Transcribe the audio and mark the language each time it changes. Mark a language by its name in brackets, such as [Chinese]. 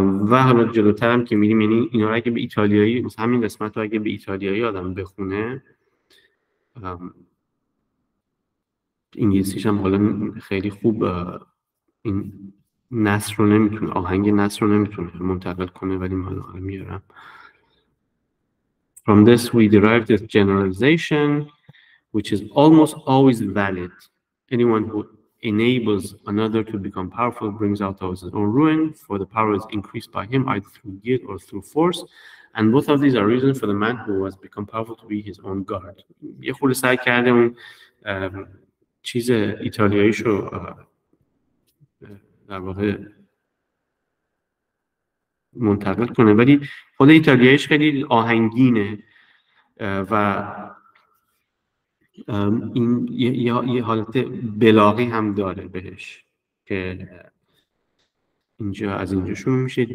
[Persian] و حالا جلوترم که میریم، یعنی اینا رو اگه به ایتالیایی، مثلا همین قسمت رو اگه به ایتالیایی آدم بخونه، انگلیسیش هم حالا خیلی خوب این نثر رو نمیتونه، آهنگ نثر رو نمیتونه منتقل کنه، ولی من حالا میارم. [English] From this we derived this generalization which is almost always valid. Anyone who enables another to become powerful brings out his own ruin, for the power is increased by him either through guilt or through force, and both of these are reasons for the man who has become powerful to be his own god. [Persian] یه خورده سعی کردم چیز ایتالیاییشو در واقع منتقل کنه، ولی خود ایتالیاییش خیلی آهنگینه و این یه حالت بلاغی هم داره بهش که اینجا از اینجا شروع میشه.